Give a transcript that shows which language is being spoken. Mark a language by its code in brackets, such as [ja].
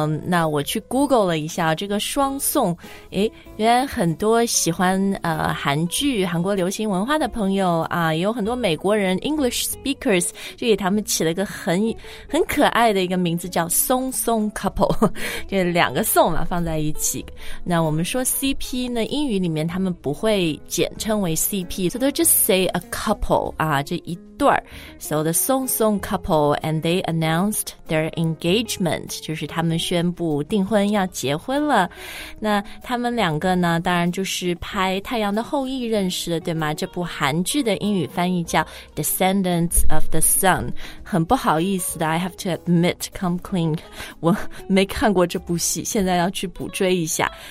[zh] 那我去 Google 了一下这个双宋，哎，原来很多喜欢韩剧韩国流行文化的朋友啊，也有很多美国人 [en] English speakers [zh] 就给他们起了一个很可爱的一个名字，叫松松 couple。就两个宋嘛放在一起。那我们说 CP 呢，英语里面他们不会简称为 CP, [en] so they'll just say a couple, [zh] 啊，这一对。 [en] So the Song Song couple, and they announced their engagement, [zh] 就是他们宣布订婚要结婚了。那他们两个呢，当然就是拍《太阳的后裔》认识的，对吗？这部韩剧的英语翻译叫 Descendants of the Sun。很不好意思的， [en] I have to admit, come clean, [zh] 我没看过这部戏，现在要去补追一下。